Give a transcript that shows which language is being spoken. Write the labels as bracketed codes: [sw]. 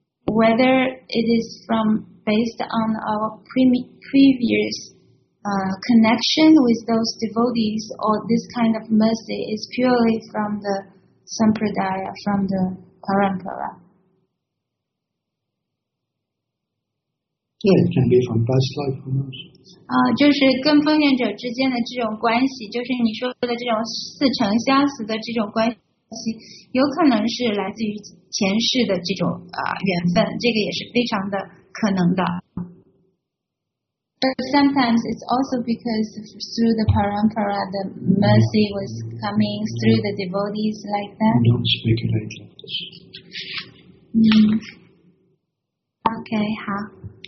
[en] whether it is from based on our previous connection with those devotees or this kind of mercy is purely from the sampradaya, from the parampara. Yeah, it can be from past life, who knows? [zh] 就是跟奉献者之间的这种关系，就是你说的这种似曾相识的这种关系，有可能是来自于前世的这种缘分，这个也是非常的可能的。 [en] But sometimes it's also because through the parampara, the mercy was coming through the devotees like that. Don't speculate like this. [zh] Okay, 好。